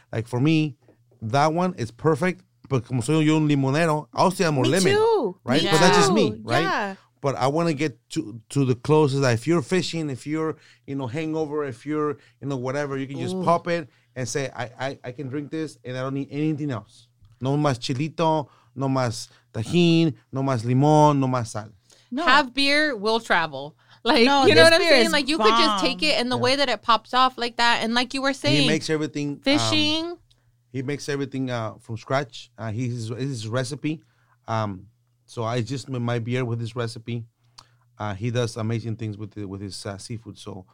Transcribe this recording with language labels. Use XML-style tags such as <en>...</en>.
<en>Like for me, that one is perfect. But</en> <es>como soy yo un limonero,</es> <en>I'll still have more lemon. Me too. Right? Yeah. But that's just me, right? Yeah. But I want to get to the closest. Like if you're fishing, if you're, you know, hangover, if you're, you know, whatever, you can just pop it and say, I can drink this and I don't need anything else.</en> <es>No más chilito, no más tajín, no más limón, no más sal.</es> <en>No. Have beer, we'll travel. Like, no, you know what I'm saying? Like, you bomb. Could just take it and the way that it pops off like that. And like you were saying, he makes everything. Fishing. He makes everything from scratch. It's his recipe. So I just made my beer with his recipe. He does amazing things with his seafood. So.</en>